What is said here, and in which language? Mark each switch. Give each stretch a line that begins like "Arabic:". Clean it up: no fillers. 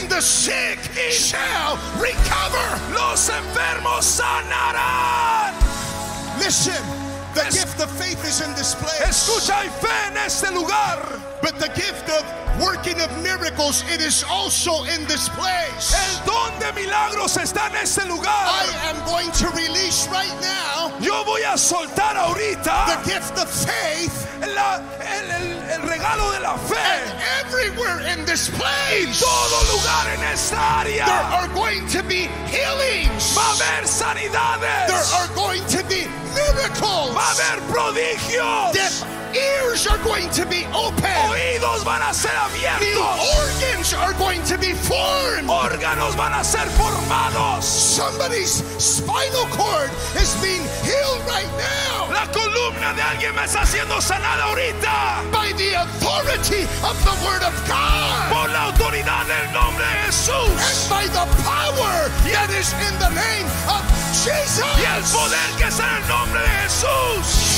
English: and the sick shall recover.
Spanish: Los enfermos sanarán.
English: Listen, The gift of faith is in this place.
Spanish: Escucha, hay fe en este lugar.
English: But the gift of working of miracles, it is also in this place.
Spanish: El don de milagros está en este lugar.
English: I am going to release right now.
Spanish: Yo voy a soltar ahorita.
English: The gift of faith.
Spanish: El regalo de la fe.
English: And everywhere in this place.
Spanish: Y todo lugar en esta área.
English: There are going to be healings.
Spanish: Va a haber sanidades.
English: There are going to be miracles.
Spanish: Va a haber prodigios.
English: Death. Ears are going to be open.
Spanish: Oídos van a ser abiertos.
English: New organs are going to be formed.
Spanish: Órganos van a ser formados.
English: Somebody's spinal cord is being healed right now.
Spanish: La columna de alguien me está siendo sanada ahorita.
English: By the authority of the word of God.
Spanish: Por la autoridad del nombre de Jesús.
English: And by the power that is in the name of Jesus.
Spanish: Y el poder que está en el nombre de Jesús.